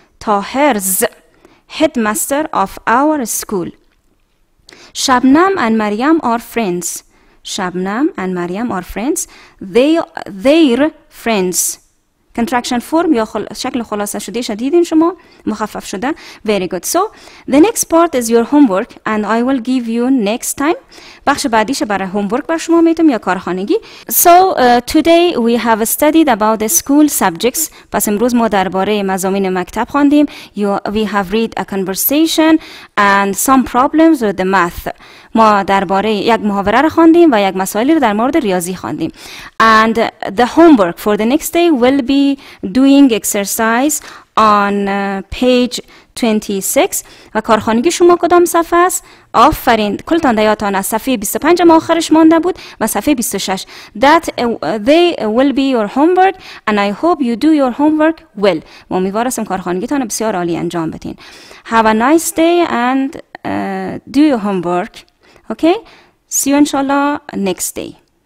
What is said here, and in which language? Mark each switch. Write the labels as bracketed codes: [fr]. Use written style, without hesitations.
[en] Tahir's headmaster of our school. Shabnam and Maryam are friends. Shabnam and Maryam are friends. They're friends. Contraction form [fa] یا شکل خلاصه شده شدیدین شما مخفف شده. [en] Very good. So, the next part is your homework and I will give you next time. [fa] بخش بعدیش برای homework بر شما میتونم یا کارخانگی. [en] So, today we have studied about the school subjects. [fa] پس امروز ما درباره مضامین مکتب خواندیم. [en] We have read a conversation and some problems with the math. [fa] ما درباره یک محاوره را خواندیم و یک مسائلی را در مورد ریاضی خواندیم. [en] And the homework for the next day will be doing exercise on page 26. [fa] و کارخانگی شما کدام صفحه است؟ آفرین. کلتان دیاتان از صفحه 25 ما آخرش مانده بود و صفحه 26. [en] That they will be your homework and I hope you do your homework well. [fa] ما امیدوارستم کارخانگیتان بسیار عالی انجام بدین. [en] Have a nice day and do your homework. Okay, see you inshallah next day.